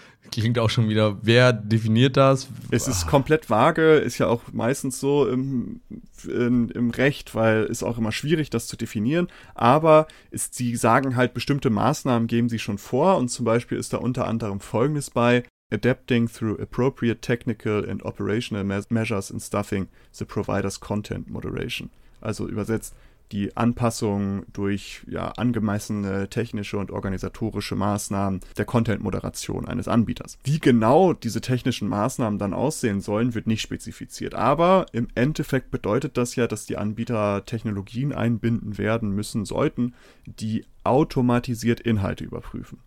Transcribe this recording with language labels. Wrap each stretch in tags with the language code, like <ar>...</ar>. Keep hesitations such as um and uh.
<de>Klingt auch schon wieder, wer definiert das? Es ist komplett vage, ist ja auch meistens so im, in, im Recht, weil es auch immer schwierig, das zu definieren. Aber ist, sie sagen halt, bestimmte Maßnahmen geben sie schon vor. Und zum Beispiel ist da unter anderem Folgendes bei.</de> <en>Adapting through appropriate technical and operational measures and stuffing the provider's content moderation.</en> <de>Also übersetzt, die Anpassung durch ja, angemessene technische und organisatorische Maßnahmen der Content-Moderation eines Anbieters. Wie genau diese technischen Maßnahmen dann aussehen sollen, wird nicht spezifiziert. Aber im Endeffekt bedeutet das ja, dass die Anbieter Technologien einbinden werden müssen sollten, die automatisiert Inhalte überprüfen.</de>